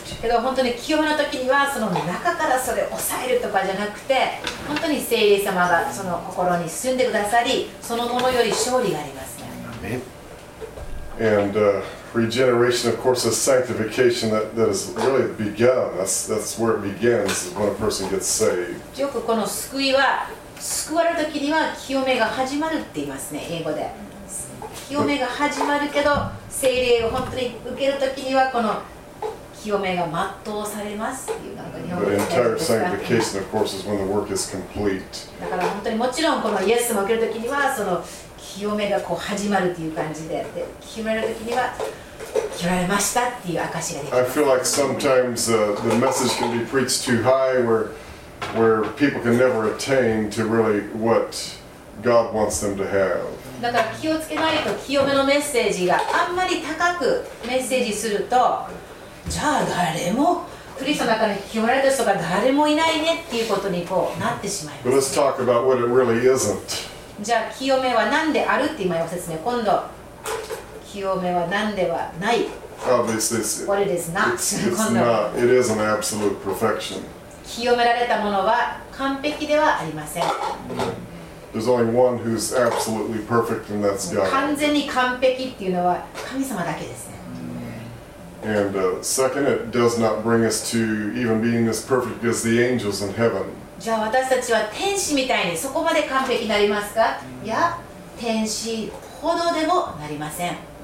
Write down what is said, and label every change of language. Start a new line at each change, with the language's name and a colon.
Japanese: けど本当に清めの時にはその中からそれを抑えるとかじゃなくて、本当に聖霊様がその心に住んでくださり、そのものより勝利があります、ね。
English: And regeneration, of course, is sanctification that is really begun. That's where it begins when a person gets saved.
Japanese: よくこの救いは救われた時には清めが始まるって言いますね、英語で。清めが始まるけど、聖霊を本当に受ける時にはこの清めが全うされますっていうなんか日本語で。
English: But entire sanctification, of course, is when the work is complete.
Japanese: だから本当にもちろんこのイエスも受ける時にはその清めがこう始まるっていう感じで、で清められた時には清められましたっていう証ができます。
English: I feel like sometimes the message can be preached too high where people can never attain to really what God wants them to have.
Japanese: だから気をつけないと清めのメッセージがあんまり高くメッセージすると、じゃあ誰もクリストの中に清められた人が誰もいないねっていうことにこうなってしまいます。
English: But let's talk about what it really isn't.
Japanese: じゃあ清めは何であるって今説明。今度清めは何ではない。
English: obviously it's, what it is not. It's not. It is an absolute perfection.
Japanese: 清められたものは完璧ではありません。
English: There's only one who's absolutely perfect, and that's God.
Japanese: 完全に完璧っていうのは神様だけですね。
English: And second, it does not bring us to even being as perfect as the angels in heaven.
Japanese: じゃあ私たちは天使みたいにそこまで完璧になりますか？いや、天使ほどでもなりません。